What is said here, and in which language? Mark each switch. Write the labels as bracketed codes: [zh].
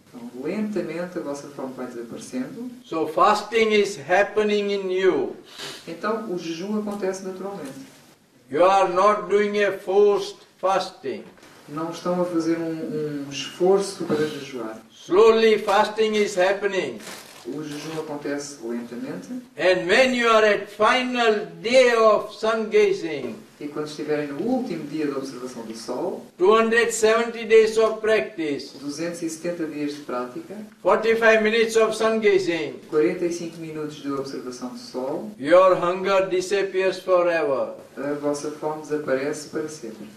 [pt] Então, lentamente a vossa fome vai desaparecendo. [en] So fasting is happening in you. [pt] Então o jejum acontece naturalmente. [en] You are not doing a forced fasting. [pt] Não estão a fazer um esforço para jejuar. [en] Slowly fasting is happening. [pt] O jejum acontece lentamente. [en] And when you are at final day of sun gazing, [pt] e quando estiverem no último dia da observação do sol, [en] 270 days of practice, [pt] 270 dias de prática, [en] 45 minutes of sun gazing, [pt] 45 minutos de observação do sol, [en] your hunger disappears forever. [pt] A vossa fome desaparece para sempre.